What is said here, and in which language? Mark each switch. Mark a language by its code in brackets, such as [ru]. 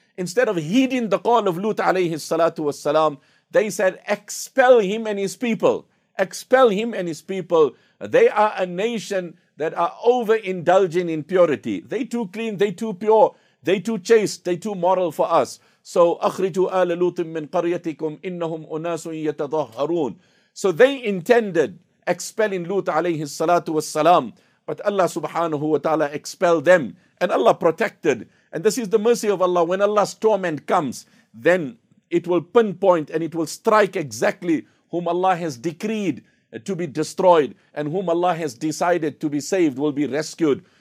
[en] Instead of heeding the call of Lut alayhi salatu wassalam, they said, expel him and his people. Expel him and his people. They are a nation that are overindulging in purity. They too clean, they too pure. They too chaste, they too moral for us. So, [ar] أخرجوا آل لوط من قريتكم إنهم أناس يتظاهرون. [en] So they intended expelling Lut [ar] عليه الصلاة والسلام, [en] but Allah subhanahu wa ta'ala expelled them, and Allah protected. And this is the mercy of Allah. When Allah's torment comes, then it will pinpoint and it will strike exactly whom Allah has decreed to be destroyed, and whom Allah has decided to be saved will be rescued.